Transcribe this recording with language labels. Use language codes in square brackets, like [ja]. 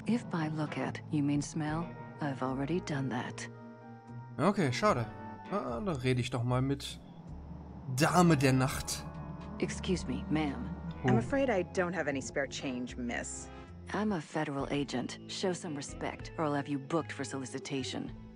[en] If by look at, you mean smell, I've already done that. [de] Okay, schade. Ah, da rede ich doch mal mit Dame der Nacht. [en] Excuse me, ma'am. Oh. I'm afraid I don't have any spare change, miss. I'm a federal agent. Show some respect, or I'll have you booked for solicitation.